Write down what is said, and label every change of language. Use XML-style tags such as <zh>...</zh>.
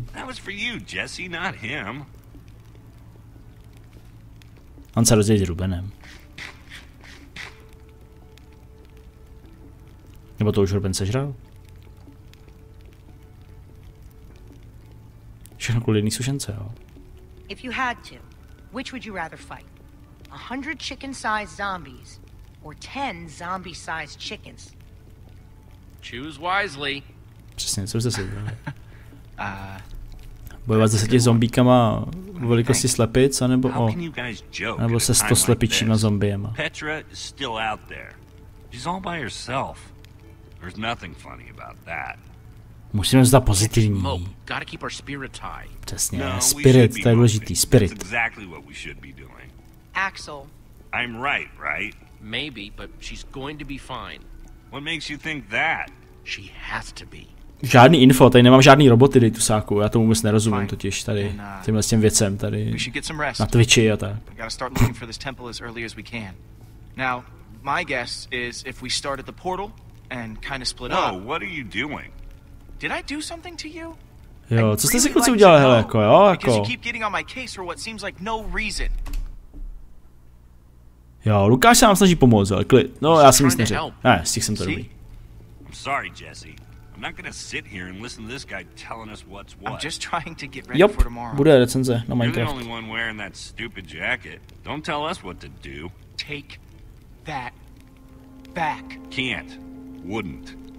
<en>That was for you, Jesse, not him.</en> <cs>On se rozdělí s Rubenem. Nebo to už Ruben sežral? Všechno kvůli jedný sušence, jo.</cs> <en>If you had to, which would you rather fight? 100 chicken-sized zombies or 10 zombie-sized chickens? Choose wisely.</en> <cs>Přesně, co jste se vybrali? Bojovat se těmi zombíkama v velikosti slepic, anebo o, nebo se 100 slepičíma zombiema.</cs> <en>Petra is still out there. She's all by herself. There's nothing funny about that.</en> <cs>Musíme zůstat pozitivní.</cs> <en>Gotta keep our spirit high.</en> <cs>Přesně, spirit, to je důležitý, spirit.</cs> <en>Exactly what we should be doing. Axel. I'm right, right? Maybe, but she's going to be fine. What makes you think that? She has to be.</en> <cs>Žádný info, tady nemám žádný roboty, dej tu sáku, já tomu vůbec nerozumím totiž tady, tímhle s těm věcem tady, na Twitchi a tak.</cs> <en>Gotta start looking for this temple as early as we can. Now, my guess is if we start at the portal and kind of split up. Oh, what are you doing? Did I do something to you?</en> <cs>Jo, co jste si kluci udělali, hele, jako, jo, jako.</cs> <en>Because you keep getting on my case for what seems like no reason.</en> <cs>Jo, Lukáš se nám snaží pomoct, ale klid, no já jsem nic neřekl. Ne, z těch jsem to dobrý.</cs> <en>I'm sorry, Jesse. I'm not gonna sit here and listen to this guy telling us what's what. I'm just trying to get ready for tomorrow.</en> <cs>Bude recenze na Minecraft.</cs> <en>You're the only one wearing that stupid jacket. Don't tell us what to do. Take that back. Can't. Wouldn't.</en>